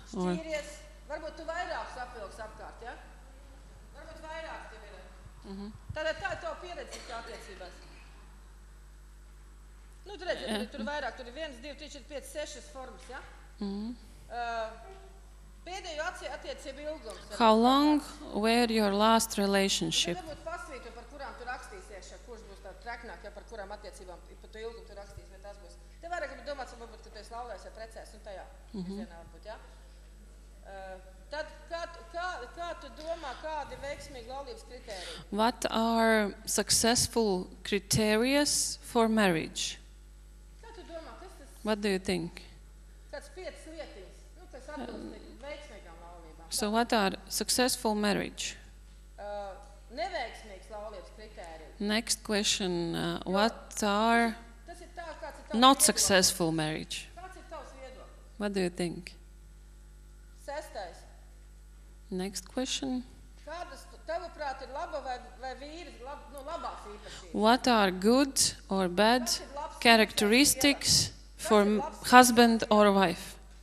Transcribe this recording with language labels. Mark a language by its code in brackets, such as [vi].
[lv] or varbūt tu vairākus apvilks apkārt, ja? Varbūt vairāk tev ir. Tātad tā to pieredze ir attiecībās. Nu, tu redzi, tur vairāk, tur ir 1, 2, 3, 4, 5, 6 formas, ja? Pēdējo attiecību ilgums. [en] How long were your last relationship? [lv] Tad būtu pasvītu, par kurām tu rakstīsies, ja, kurš būs tā treknāk, ja, par kurām attiecībām, par to ilgumu tu rakstīsies. Tev vairāk būtu domāts, varbūt, ka tu esi laulējis ar precēs, un tajā visienā varbūt, jā. Tad, kā tu domā, kādi veiksmīgi laulības kritērija? [en] What are successful criterias for marriage? [lv] Kā tu domā, kas tas? [en] What do you think? [lv] Kāds piecas lietiņas, nu, kas atbilst veiksmīgām laulībām. [en] So what are successful marriage? [lv] Neveiksmīgs laulības kritērija. [en] Next question, what are... Not successful marriage. What do you think? [lv] Sestais. [en] Next question. [lv] Kādas tavuprāt ir laba vai vīri, nu, labās īpašības? [en] What are good or bad characteristics for husband or wife?